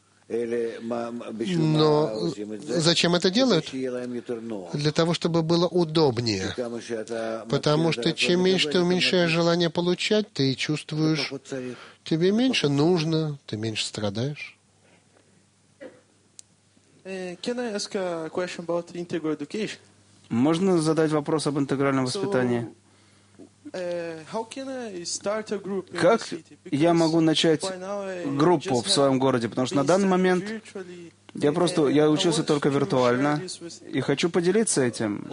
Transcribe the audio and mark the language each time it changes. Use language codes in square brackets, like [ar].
[ru] Но зачем это делают? Для того, чтобы было удобнее. Потому что чем меньше ты уменьшаешь желание получать, ты чувствуешь, тебе меньше нужно, ты меньше страдаешь. [en] Can I ask a question about integral education? [ru] Можно задать вопрос об интегральном воспитании? [en] How can I start a group? [ru] Как я могу начать группу в своем городе? Потому что на данный момент я учился только виртуально и хочу поделиться этим.